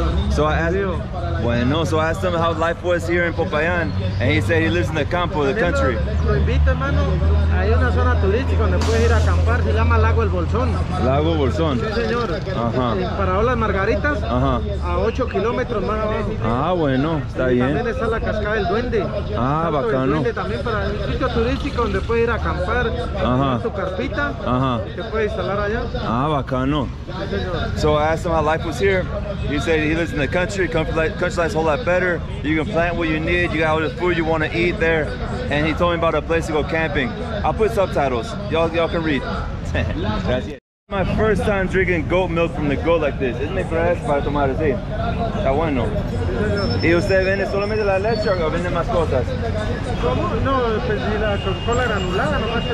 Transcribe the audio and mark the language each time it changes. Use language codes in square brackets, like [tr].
[en] So I asked him how life was here in Popayan, and he said he lives in the campo, the country. [es] Lo invito, hermano, hay una zona turística donde puedes ir a acampar, se llama Lago El Bolsón. Lago Bolsón. Sí, señor. Ajá. Para olas margaritas, ajá, a 8 kilómetros más abajo. Ah, bueno, está bien. Y también está la cascada del Duende. Ah, bacano. Duende también para un sitio turístico donde puedes ir a acampar, ajá, con tu carpita, ajá, te puedes instalar allá. Ah, bacano. Sí, señor. [en] So I asked him how life was here. He said he lives in the country, country life's a whole lot better. You can plant what you need, you got all the food you want to eat there. And he told me about a place to go camping. I'll put subtitles, y'all can read. That's it. My first time drinking goat milk from the goat like this. Isn't it fresh [es] para tomar así? Está bueno. ¿Y usted vende solamente la leche o vende más cosas? ¿Cómo? No, pues si la Coca-Cola granulada, no más que